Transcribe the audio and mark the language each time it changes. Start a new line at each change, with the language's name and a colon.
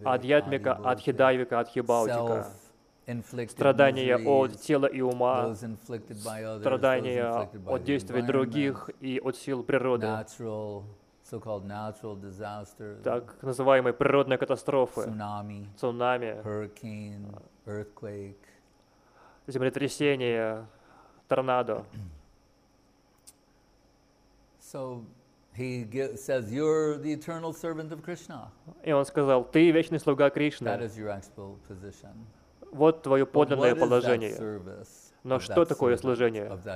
Russian: Адьятмика, адхидайвика, адхибаутика. Страдания от тела и ума, страдания от действий других и от сил природы.
English: So-called natural disasters,
Russian: так называемые природные катастрофы,
English: цунами, hurricane, earthquake,
Russian: землетрясение, торнадо.
English: So he says, "You're the eternal servant of Krishna."
Russian: И он сказал: ты вечный слуга Кришны.
English: That is your actual position.
Russian: Вот твое подлинное положение. Но что такое служение?